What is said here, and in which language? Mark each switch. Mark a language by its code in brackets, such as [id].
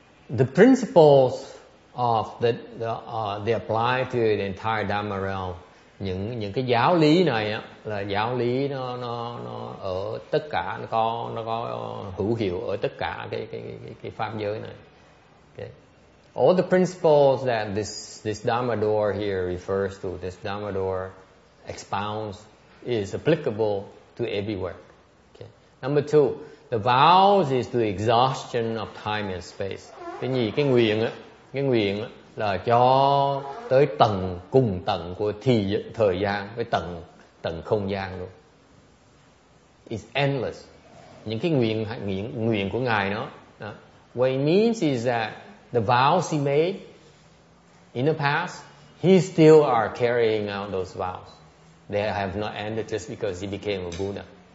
[en] The principles of they apply to the entire Dharma realm. [vi] Những cái giáo lý này á, là giáo lý nó ở tất cả, nó có hữu hiệu ở tất cả cái pháp giới này. [en] Okay. All the principles that this Dharma door here refers to, this Dharma door expounds, is applicable to everywhere. Okay. Number two, the vows is the exhaustion of time and space. [vi] Cái nguyện á, là cho tới tận cùng tận của thời gian với tận không gian luôn. [en] It's endless. [vi] Những cái nguyện của Ngài nó. [en] What it means is that the vows he made in the past, he still are carrying out those vows. They have not ended just because he became a Buddha.